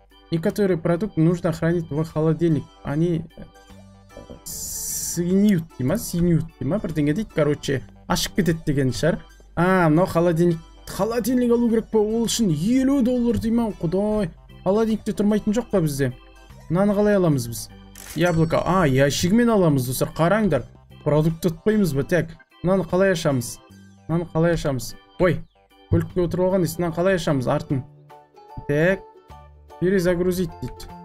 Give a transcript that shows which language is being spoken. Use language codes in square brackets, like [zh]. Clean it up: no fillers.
[ru] Некоторые продукты нужно хранить в холодильник. Они сгниют, [kk] дейма, [ru] сгниют, дейма. [kk] Бірдеңе дейді, короче, ашық кетеді деген шығар. А, мынау холодильник. Холодильник алу керек па? Ол үшін $50 дейма, құдай. Холодильникте тұрмайтын жоқ па бізде? Мынаны қалай аламыз біз? Яблоко. А, ящигімен аламыз, достар. Қараңдар. Продукты тұтпаймыз ба? Так, мынаны қалай ашамыз? Мынаны қалай ашамыз? Ой, көлікке отырып алған дейсіз. Мынаны қалай ашамыз? Артын. Так, перезагрузить дейді.